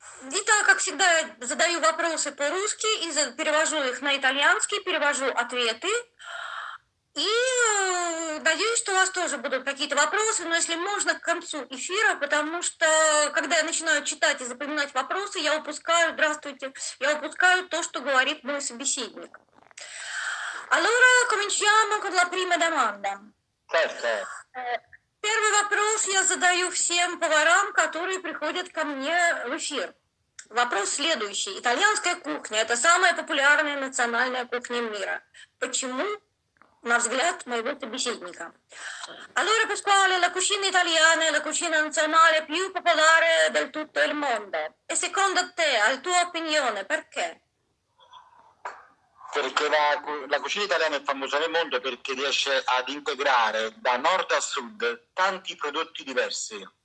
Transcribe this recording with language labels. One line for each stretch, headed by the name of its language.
Russian: Итак, как всегда, я задаю вопросы по-русски и перевожу их на итальянский, перевожу ответы. И надеюсь, что у вас тоже будут какие-то вопросы, но если можно, к концу эфира, потому что, когда я начинаю читать и запоминать вопросы, я упускаю, здравствуйте, я упускаю то, что говорит мой собеседник.
Italian: Allora, cominciamo con la prima domanda. Certo.
Russian: Первый вопрос я задаю всем поварам, которые приходят ко мне в эфир. Вопрос следующий. Итальянская кухня – это самая популярная национальная кухня мира. Почему? На взгляд моего собеседника.
Italian: Allora, Pasquale, la cucina italiana è la cucina nazionale più popolare del tutto il mondo. E secondo te, al tuo opinione, perché? Perché la cucina italiana è famosa nel mondo perché riesce ad integrare da nord a sud tanti prodotti diversi.